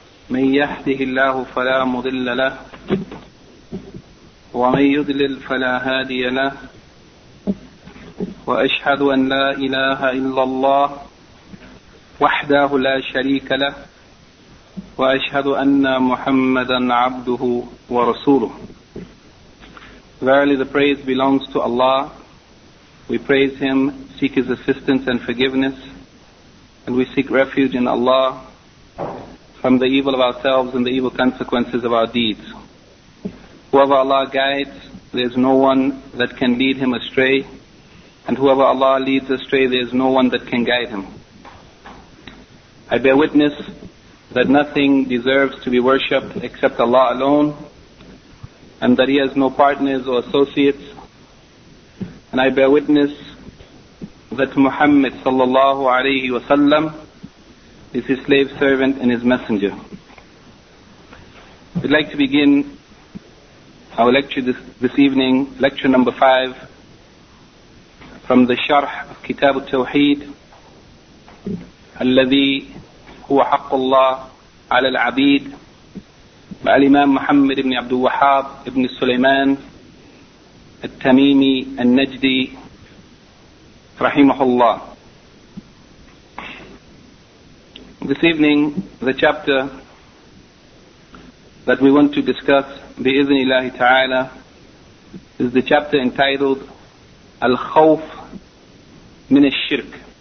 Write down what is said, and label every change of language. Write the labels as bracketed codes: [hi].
[ar] من يهده الله فلا مضل له ومن يضلل فلا هادي له، وأشهد أن لا إله إلا الله وحده لا شريك له، وأشهد أن محمدا عبده ورسوله. [en] Verily the praise belongs to Allah. We praise Him, seek His assistance and forgiveness, and we seek refuge in Allah from the evil of ourselves and the evil consequences of our deeds. Whoever Allah guides, there is no one that can lead him astray, and whoever Allah leads astray, there is no one that can guide him. I bear witness that nothing deserves to be worshipped except Allah alone, and that He has no partners or associates. And I bear witness that Muhammad sallallahu alayhi wa sallam is His slave servant and His messenger. We'd like to begin our lecture this evening, lecture number 5, from the Sharh of Kitab al-Tawheed, [ar] الذي هو حق الله على العبيد الإمام محمد بن عبد الوهاب بن سليمان التميمي النجدي رحمه الله. [en] This evening, the chapter that we want to discuss [ar] بإذن الله تعالى [en] is the chapter entitled [ar] الخوف من الشرك.